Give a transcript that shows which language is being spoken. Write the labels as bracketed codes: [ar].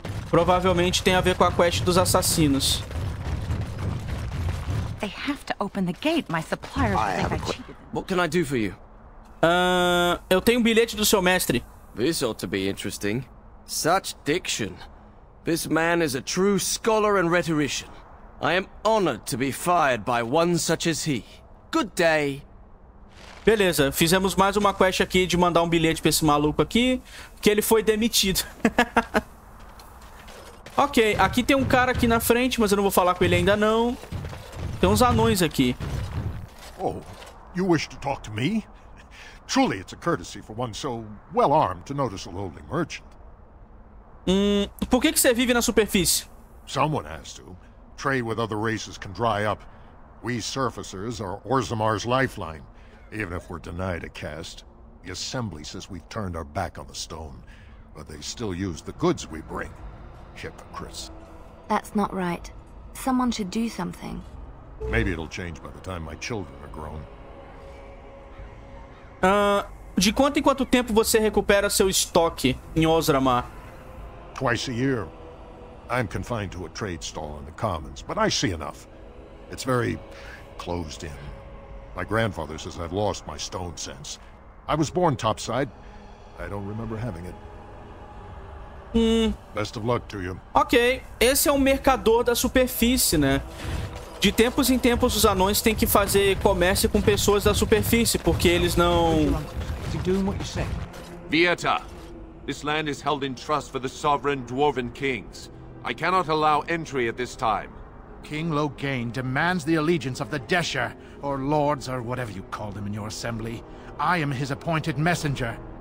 [pt] Provavelmente tem a ver com a quest dos assassinos. [en] They have to open the gate. My supplier I think I What can I do for you? [pt] Eu tenho um bilhete do seu mestre. [en] This ought to be interesting. Such diction. This man is a true scholar and rhetorician. I am honored to be fired by one such as he. Good day. [pt] Beleza, fizemos mais uma quest aqui de mandar um bilhete pra esse maluco aqui, que ele foi demitido. Ok, aqui tem um cara aqui na frente, mas eu não vou falar com ele ainda não. Tem uns anões aqui. [en] Oh, you wish to talk to me? Truly, it's a courtesy for one so well armed to notice a lowly merchant. [pt] Por que que você vive na superfície? [en] Someone has to. Trade with other races can dry up. We surfacers are Orzammar's lifeline. Even if we're denied a cast, the assembly says we've turned our back on the stone, but they still use the goods we bring. Hypocrites. That's not right. Someone should do something. Maybe it'll change by the time my children are grown. [pt] De quanto em quanto tempo você recupera seu estoque em Orzammar? [en] Twice a year. I'm confined to a trade stall in the commons, but I see enough. It's very closed in. My grandfather says I've lost my stone sense. I was born topside. I don't remember having it. Best of luck to you. [pt] Ok, esse é um mercador da superfície, né? De tempos em tempos, os anões têm que fazer comércio com pessoas da superfície, porque eles não... [en] Vieta, this land is held in trust for the sovereign dwarven kings. I cannot allow entry at this time. King Loghain demands the allegiance of the Desha, or lords, or whatever you call them in your assembly. I am his appointed messenger.